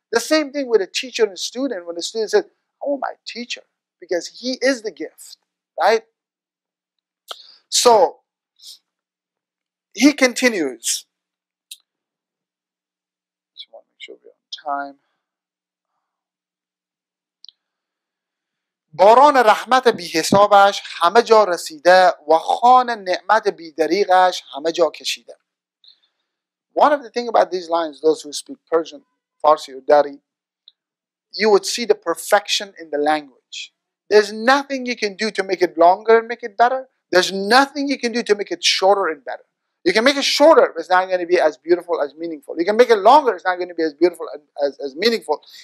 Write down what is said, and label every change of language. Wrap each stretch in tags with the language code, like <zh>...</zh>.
<en>The same thing with a teacher and a student. When the student says, I want my teacher. Because he is the gift, right? So, he continues. Just want to make sure we're on time.</en> <fa>باران رحمت بی حسابش همه جا رسیده و خان نعمت بی دریغش همه جا کشیده.</fa> <en>One of the things about these lines, those who speak Persian, Farsi, or Dari, you would see the perfection in the language. There's nothing you can do to make it longer and make it better. There's nothing you can do to make it shorter and better. You can make it shorter, but it's not going to be as beautiful as meaningful. You can make it longer, it's not going to be as beautiful as meaningful.</en>